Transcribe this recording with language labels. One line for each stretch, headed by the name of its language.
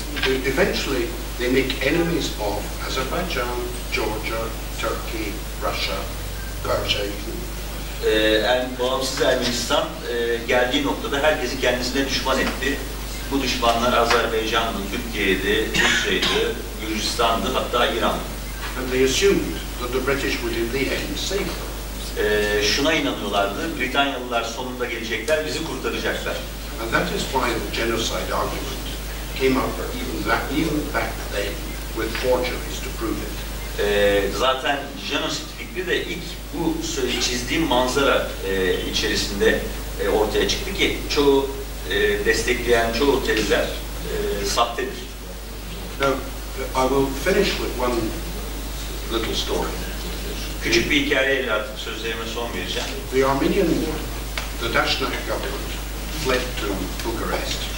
English: Eventually they make enemies of Azerbaijan, Georgia, Turkey, Russia, Persia.
Turkish: Bağımsız Ermenistan geldiği noktada herkesi kendisine düşman etti. Bu düşmanlar Azerbaycan'dı, Türkiye'ydi, Rusya'ydı, Gürcistan'dı, hatta İran'dı.
English: And they assumed that the British would in the end save them.
Turkish: Şuna inanıyorlardı, Britanyalılar sonunda gelecekler, bizi kurtaracaklar.
English: And that is why the genocide argument came up even back then with forgeries to prove it.
Turkish: Zaten genosit fikri de ilk bu çizdiğim manzara içerisinde ortaya çıktı ki çoğu destekleyen çoğu teziler sahtedir.
English: Now, I will finish with one little story.
Turkish: Küçük bir hikayeyle artık sözlerime son vereceğim.
English: The Armenian, the Dashnak government fled to Bucharest.